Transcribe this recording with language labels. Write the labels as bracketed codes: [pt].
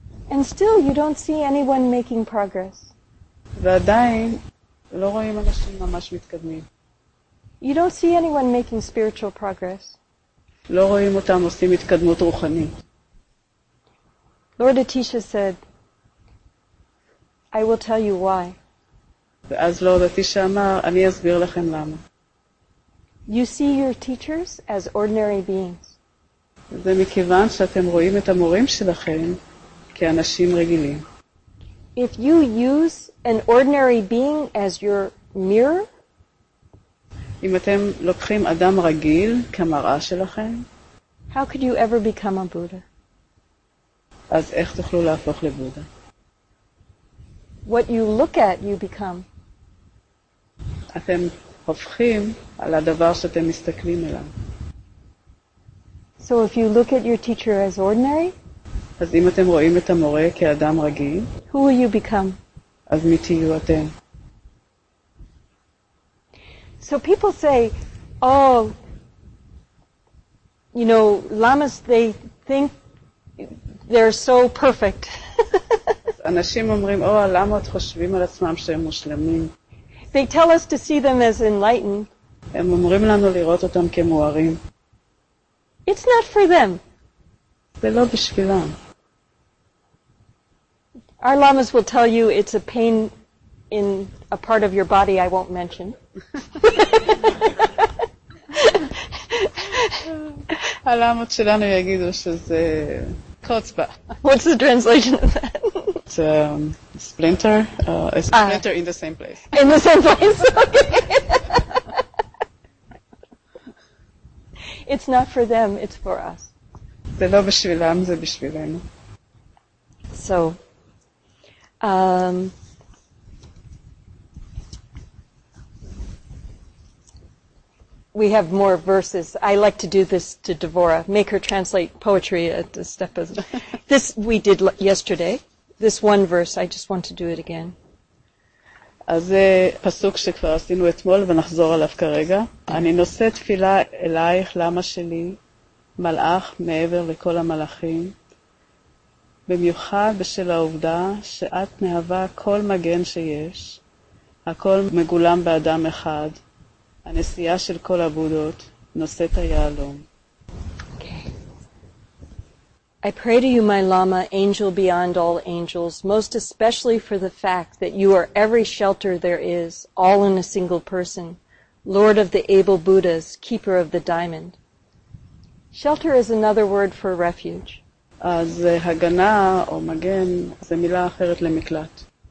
[en] And still you don't see anyone making progress. [he] ועדיין לא רואים אנשים ממש מתקדמים. [en] You don't see anyone making spiritual progress. [he] לא רואים אותם עושים התקדמות רוחנית. [en] Lord Atisha said, I will tell you why. [he] ואז Lord Atisha אמר, אני אסביר לכם למה. [en] You see your teachers as ordinary beings. [he] זה מכיוון שאתם רואים את המורים שלכם כאנשים רגילים. [en] If you use an ordinary being as your mirror, [he] אם אתם לוקחים אדם רגיל כמראה שלכם, [en] How could you ever become a Buddha? [he] אז איך תוכלו להפוך לבודה? [en] What you look at, you become. [he] אתם הופכים על הדבר שאתם מסתכלים עליו. [en] So if you look at your teacher as ordinary, [he] אז אם אתם רואים את המורה כאדם רגיל, [en] who will you become? [he] אז מי תהיו אתם? [en] So people say, oh, you know, lamas, they think they're so perfect. [he] אנשים אומרים, או, הלמות חושבים על עצמם שהם מושלמים. [en] They tell us to see them as enlightened. [he] הם אומרים לנו לראות אותם כמוארים. [en] It's not for them. [he] זה לא בשבילם. [en] Our lamas will tell you it's a pain in a part of your body I won't mention. [he] הלמות שלנו יגידו שזה קוצבה. [en] What's the translation of that? Splinter, splinter in the same place. In the same place. Okay. It's not for them, it's for us. [he] זה לא בשבילם, זה בשבילנו. [en] So we have more verses. I like to do this to Devorah, make her translate poetry at the step of this we did yesterday. This one verse, I just want to do it again. [he] אז פסוק שכבר עשינו אתמול ונחזור עליו כרגע. אני נושא תפילה אלייך, למה שלי, מלאך מעבר לכל המלאכים, במיוחד בשל העובדה שאת מהווה כל מגן שיש, הכל מגולם באדם אחד, הנשיאה של כל הבודות, נושאת היעלום. [en] I pray to you, my Lama, angel beyond all angels, most especially for the fact that you are every shelter there is, all in a single person, Lord of the Able Buddhas, Keeper of the Diamond. Shelter is another word for refuge. [he] אז הגנה או מגן זה מילה אחרת למקלט.